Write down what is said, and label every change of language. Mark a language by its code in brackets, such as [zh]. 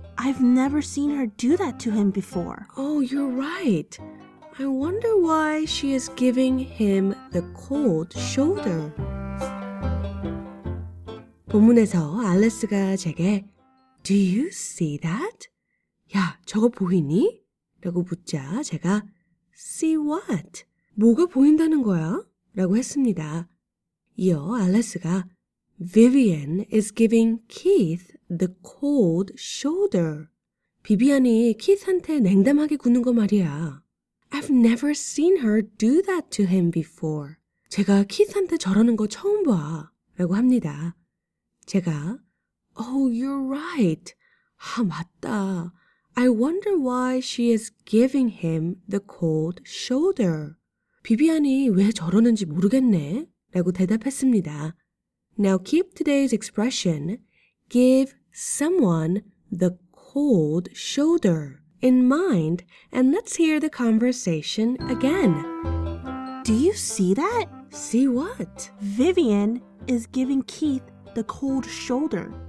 [en] I've never seen her do that to him before. Oh, you're right. I wonder why she is giving him the cold shoulder. [ko] 본문에서 알리스가 제게 [en] Do you see that? [ko] 야, 저거 보이니? 라고 묻자 제가 [en] See what? [ko] 뭐가 보인다는 거야? 라고 했습니다. 이어 알리스가 [en] Vivian is giving Keith the cold shoulder. [ko] 비비안이 키스한테 냉담하게 구는 거 말이야. [en] I've never seen her do that to him before. [ko] 제가 키스한테 저러는 거 처음 봐. 라고 합니다. 제가 [en] Oh, you're right. [ko] 아, 맞다. [en] I wonder why she is giving him the cold shoulder. [ko] 비비안이 왜 저러는지 모르겠네. 라고 대답했습니다. [en] Now keep today's expression, give someone the cold shoulder, in mind, and let's hear the conversation again. Do you see that? See what? Vivian is giving Keith the cold shoulder.